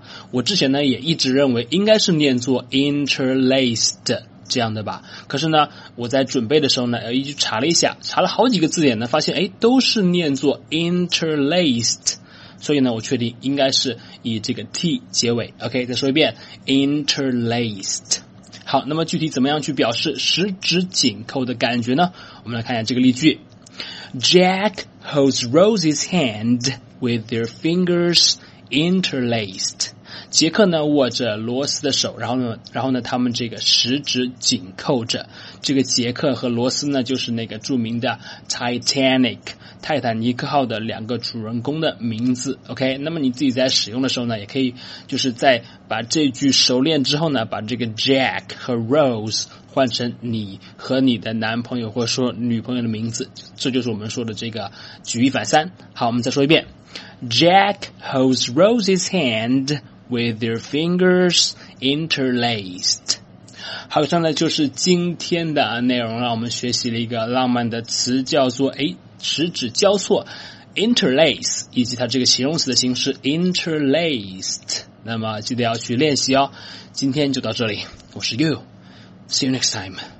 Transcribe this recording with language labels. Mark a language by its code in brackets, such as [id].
[zh] 我之前呢也一直认为应该是念作 interlaced这样的吧，可是呢我在准备的时候呢一直查了一下，查了好几个字典呢，发现都是念作 interlaced， 所以呢我确定应该是以这个 t 结尾。 OK， 再说一遍 interlaced。好，那么具体怎么样去表示十指紧扣的感觉呢？我们来看一下这个例句。 [en] Jack holds Rose's hand with their fingers interlaced。 [zh] 杰克呢握着罗斯的手，然后呢他们这个十指紧扣着。这个杰克和罗斯呢就是那个著名的 Titanic 泰坦尼克号的两个主人公的名字。 OK， 那么你自己在使用的时候呢，也可以就是在把这句熟练之后呢，把这个 Jack 和 Rose 换成你和你的男朋友或者说女朋友的名字，这就是我们说的这个举一反三。好，我们再说一遍。 [en] Jack holds Rose's hand with their fingers interlaced。 [zh] 好，上呢就是今天的内容，让我们学习了一个浪漫的词，叫做十指交错 interlace， 以及它这个形容词的形式 interlaced。那么记得要去练习哦。今天就到这里，我是 You， [en] See you next time。